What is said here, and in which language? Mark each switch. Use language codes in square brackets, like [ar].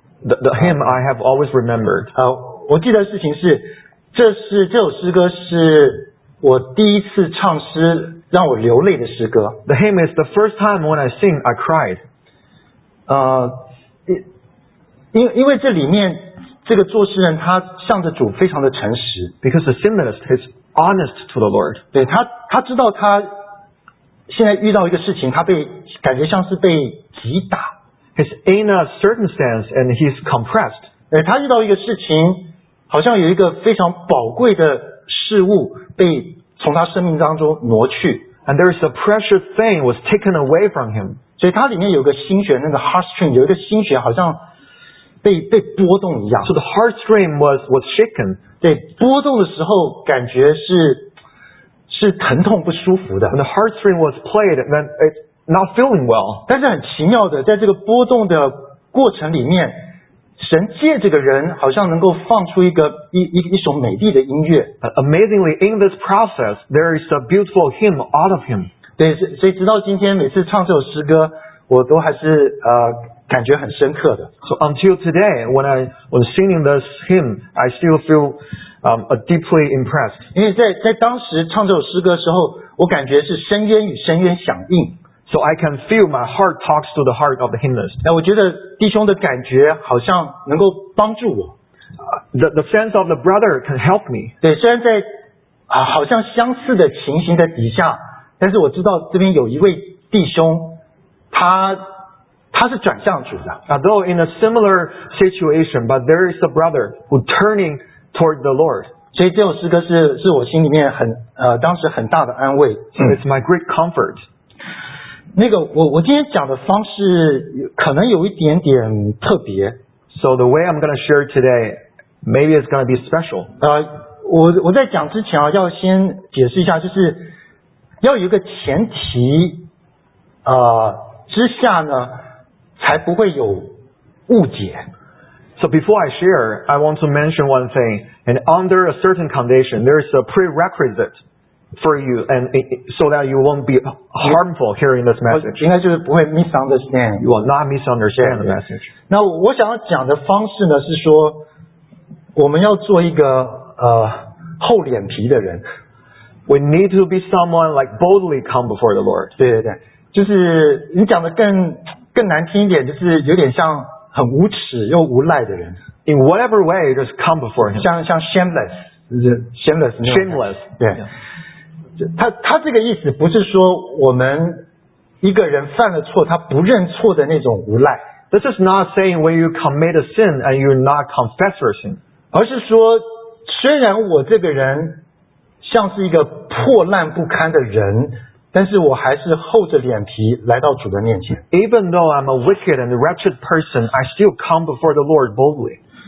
[en] The hymn I have always remembered. [zh] 我记得事情是，这首诗歌是我第一次唱诗让我流泪的诗歌。 [en] The hymn is the first time when I sing I cried. [zh] 因为这里面这个作诗人他向着主非常的诚实。 [en] Because the symbolist is honest to the Lord. [zh] 对，他知道他现在遇到一个事情，他被感觉像是被击打。 [en] He's in a certain sense and he's compressed. [zh] 对，他遇到一个事情，好像有一个非常宝贵的事物被从他生命当中挪去。 [en] And there's a precious thing was taken away from him. [zh] 所以他里面有个心弦，那个 heartstring 有一个心弦好像被波动一样。 [en] So the heartstring was shaken. [zh] 对，波动的时候感觉是疼痛不舒服的。 [en] When the heartstring was played, then it's not feeling well. [zh] 但是很奇妙的，在这个波动的过程里面，神借这个人好像能够放出一首美丽的音乐。 [en] Amazingly, in this process, there is a beautiful hymn out of him. [zh] 对，所以直到今天，每次唱这首诗歌，我都还是感觉很深刻的。 [en] So until today, when singing this hymn, I still feel deeply impressed. [zh] 因为在当时唱这首诗歌的时候，我感觉是深渊与深渊响应。 [en] So I can feel my heart talks to the heart of the hymnist. [zh] 我觉得弟兄的感觉好像能够帮助我。 [en] The sense of the brother can help me. [zh] 对，虽然在好像相似的情形的底下，但是我知道这边有一位弟兄，他是转向主的。 [en] Although in a similar situation, but there is a brother who turning toward the Lord. [zh] 所以这首诗歌是我心里面当时很大的安慰。 [en] So it's my great comfort. [zh] 那个我今天讲的方式可能有一点点特别。 [en] So the way I'm going to share today, maybe it's going to be special. [zh] 我在讲之前要先解释一下，就是要有一个前提之下呢，才不会有误解。 [en] So before I share, I want to mention one thing. And under a certain condition, there is a prerequisite. For you and so that you won't be harmful hearing this message. [zh] 应该就是不会 misunderstand. [en] You will not misunderstand the message. [zh] 那我想要讲的方式呢，是说我们要做一个厚脸皮的人。 [en] We need to be someone like boldly come before the Lord. [zh] 对对对，就是你讲的更难听一点，就是有点像很无耻又无赖的人。 [en] In whatever way, just come before him. [zh] 像 [en] shameless, shameless, shameless. 对。Yeah. [zh] 他这个意思不是说我们一个人犯了错他不认错的那种无赖。 [en] This is not saying when you commit a sin and you not confess your sin. [zh] 而是说虽然我这个人像是一个破烂不堪的人，但是我还是厚着脸皮来到主的面前。 [en] Even though I'm a wicked and wretched person, I still come before the Lord boldly.